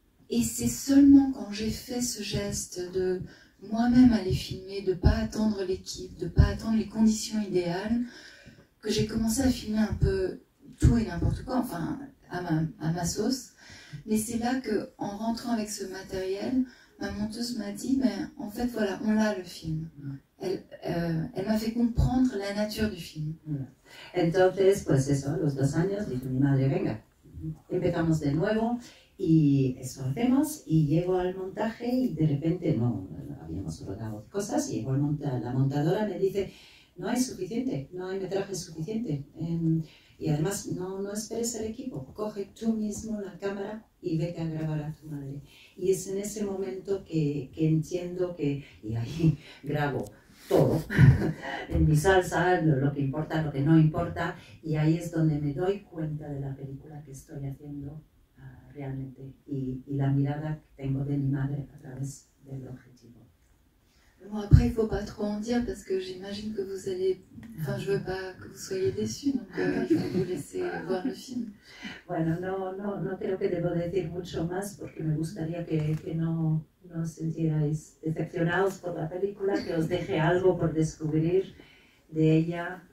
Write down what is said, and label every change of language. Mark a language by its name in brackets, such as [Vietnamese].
[French] Et c'est seulement quand j'ai fait ce geste de moi-même aller filmer, de pas attendre l'équipe, de pas attendre les conditions idéales, que j'ai commencé à filmer un peu tout et n'importe quoi, enfin à ma sauce. Mais c'est là que, en rentrant avec ce matériel, ma monteuse m'a dit, mais en fait voilà, on l'a le film. Elle m'a fait comprendre la nature du film. [Spanish] Entonces, pues eso, los 2 años, dijo mi madre, venga, empezamos de nuevo y eso hacemos. Y llego al montaje y de repente no habíamos rodado cosas y llego la montadora me dice, no hay suficiente, no hay metraje suficiente. Y además, no esperes el equipo. Coge tú mismo la cámara y vete a grabar a tu madre. Y es en ese momento que entiendo que, y ahí grabo todo, en mi salsa, lo que importa, lo que no importa, y ahí es donde me doy cuenta de la película que estoy haciendo realmente. Y la mirada que tengo de mi madre a través del ojo. [French] Bon, après, il ne faut pas trop en dire parce que j'imagine que vous allez... Enfin, je ne veux pas que vous soyez déçus, donc il faut vous laisser voir le film. [Spanish] Bueno, no creo que debo decir mucho más porque me gustaría que no sentierais decepcionados por la película, que os deje algo por descubrir de ella.